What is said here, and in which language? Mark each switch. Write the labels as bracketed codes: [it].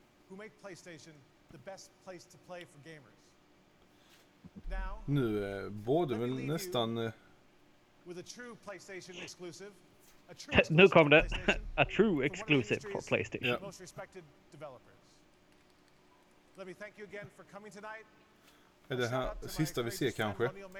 [en] who make PlayStation the best place to play for gamers. Now, [sv] nu borde väl nästan [en] with a true PlayStation exclusive. [sv] Nu kom det [en] a true exclusive for PlayStation. Yeah. Most respected developers. Let me thank you again for coming tonight. [sv] Är det här sista vi ser kanske?